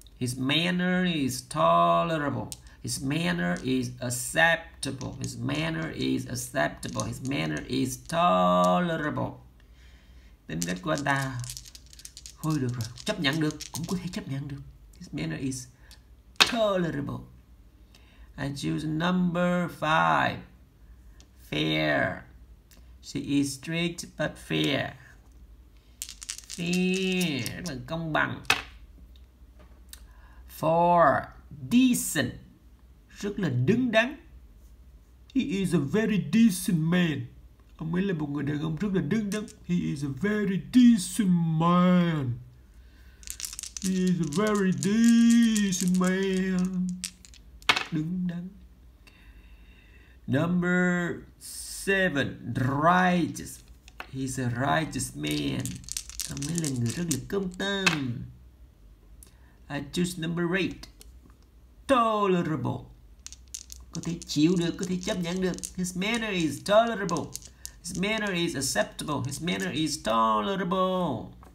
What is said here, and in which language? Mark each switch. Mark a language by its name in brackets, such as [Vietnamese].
[English] His manner is tolerable. His manner is acceptable. His manner is acceptable. His manner is tolerable. [Vietnamese] Tính cách của anh ta thôi được rồi, chấp nhận được, cũng có thể chấp nhận được. [English] His manner is tolerable. I choose number 5. Fair. She is strict but fair. Fair, [Vietnamese] rất là công bằng. 4. Decent. Rất là đứng đắn. [English] He is a very decent man. [Vietnamese] Ông ấy là một người đàn ông rất là đứng đắn. [English] He is a very decent man. He is a very decent man. [Vietnamese] Đứng đắn. [English] Number 7. Righteous. He's a righteous man. [Vietnamese] Ông ấy là người rất là công tâm. [English] I choose number 8. [Vietnamese] Tolerable. Có thể chịu được, có thể chấp nhận được. [English] His manner is tolerable. His manner is acceptable. His manner is tolerable.